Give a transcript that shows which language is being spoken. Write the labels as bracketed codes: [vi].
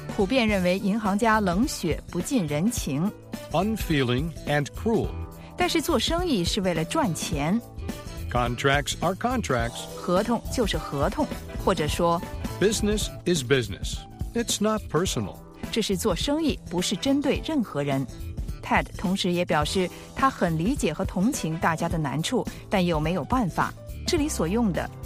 [zh] 普遍认为银行家冷血不近人情 [en] unfeeling and cruel [zh] 但是做生意是为了赚钱 [en] contracts are contracts [zh] 合同就是合同或者说 [en] business is business it's not personal [zh] 这是做生意不是针对任何人 Ted 同时也表示他很理解和同情大家的难处但又没有办法这里所用的